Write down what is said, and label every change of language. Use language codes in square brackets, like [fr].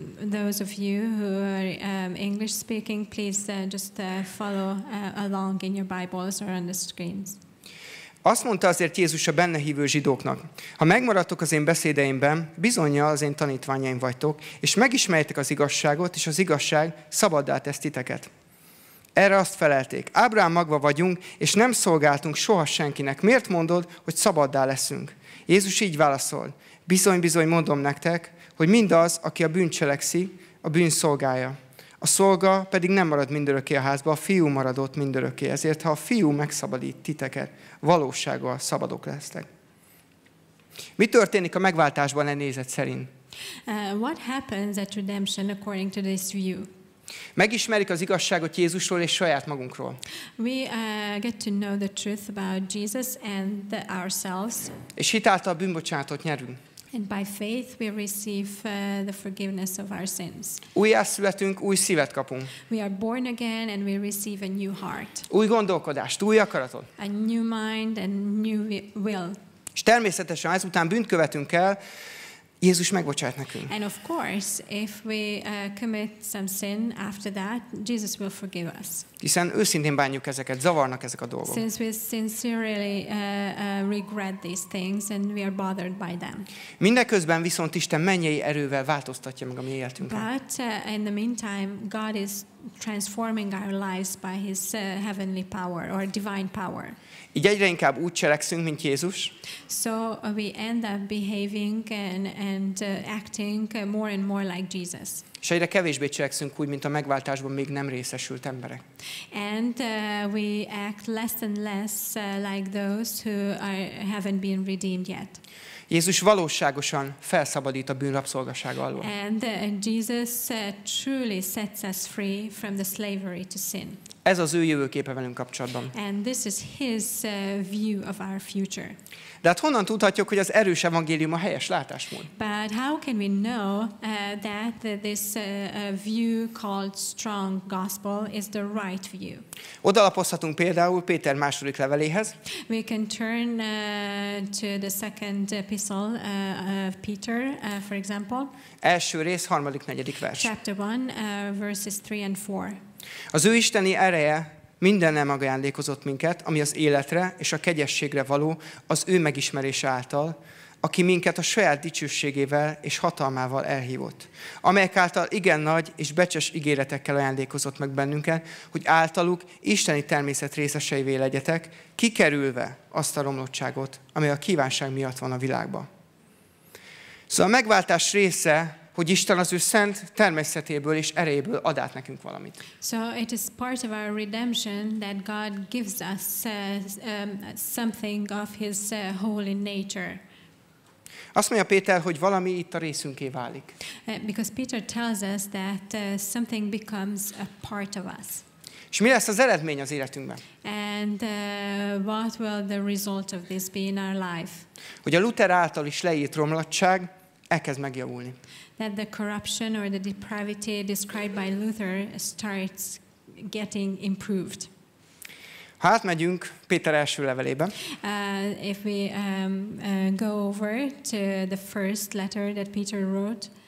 [en] Those of you who are English speaking, please just follow along in your Bibles or on the screens. [hu] Azt mondta azért Jézus a benne hívő zsidóknak: ha megmaradtok az én beszédeimben, bizonnyal az én tanítványaim vagytok, és megismerjétek az igazságot, és az igazság szabaddá tesz titeket. Erre azt felelték: Ábrahám magva vagyunk, és nem szolgáltunk soha senkinek. Miért mondod, hogy szabaddá leszünk? Jézus így válaszol: bizony-bizony mondom nektek, hogy mindaz, aki a bűn cselekszi, a bűn szolgája. A szolga pedig nem marad mindörökké a házba, a fiú maradott mindörökké. Ezért, ha a fiú megszabadít titeket, valósággal szabadok lesztek. Mi történik a megváltásban e nézet szerint? [en] What happens at redemption according to this view? [hu] Megismerik az igazságot Jézusról és saját magunkról. [en] We get to know the truth about Jesus and ourselves. [hu] És hitáltal bűnbocsánatot nyerünk. [en] And by faith we receive the forgiveness of our sins. [hu] Újjászületünk, új szívet kapunk. [en] We are born again and we receive a new heart. [hu] Új gondolkodást, új akaratot. [en] A new mind and new will. [hu] És természetesen ezután bűnt követünk el, Jézus megbocsát nekünk. [en] And of course, if we commit some sin after that, Jesus will forgive us. [hu] Hiszen őszintén bánjuk ezeket, zavarnak ezek a dolgok. [en] Since we sincerely regret these things and we are bothered by them. [hu] Mindeközben viszont Isten mennyei erővel változtatja meg a mi életünket. [en] But in the meantime, God is transforming our lives by his heavenly power or divine power. [hu] Így egyre inkább úgy cselekszünk, mint Jézus. [en] So we end up behaving and acting more and more like Jesus. [hu] És egyre kevésbé cselekszünk úgy, mint a megváltásban még nem részesült emberek. [en] And we act less and less like those who haven't been redeemed yet. [hu] Jézus valóságosan felszabadít a bűn rabszolgasága alól. [en] And Jesus truly sets us free from the slavery to sin. [hu] Ez az ő jövőképe velünk kapcsolatban. [en] And this is his view of our future. [hu] De hát honnan tudhatjuk, hogy az erős evangélium a helyes látásmód? [en] But how can we know that this view called strong gospel is the right view? [hu] Odalapozhatunk például Péter második leveléhez. [en] We can turn to the second epistle of Peter, for example. [hu] Első rész, 3., 4. vers. [en] Chapter 1, verses 3 and 4. [hu] Az ő isteni ereje mindennel megajándékozott minket, ami az életre és a kegyességre való az ő megismerése által, aki minket a saját dicsőségével és hatalmával elhívott, amelyek által igen nagy és becses ígéretekkel ajándékozott meg bennünket, hogy általuk isteni természet részeseivé legyetek, kikerülve azt a romlottságot, amely a kívánság miatt van a világban. Szóval a megváltás része hogy Isten az ő szent természetéből és erejéből ad át nekünk valamit. [en] So it is part of our redemption that God gives us something of his holy nature. [hu] Azt mondja Péter, hogy valami itt a részünké válik. [en] Because Peter tells us that something becomes a part of us. [hu] És mi lesz az eredmény az életünkben? [en] And what will the result of this be in our life? [hu] Hogy a Luther által is leírt romlatság elkezd megjavulni. [en] That the corruption or the depravity described by Luther starts getting improved. [hu] Hát megyünk Péter első levelébe. [en] If we go over to the first letter that Peter wrote.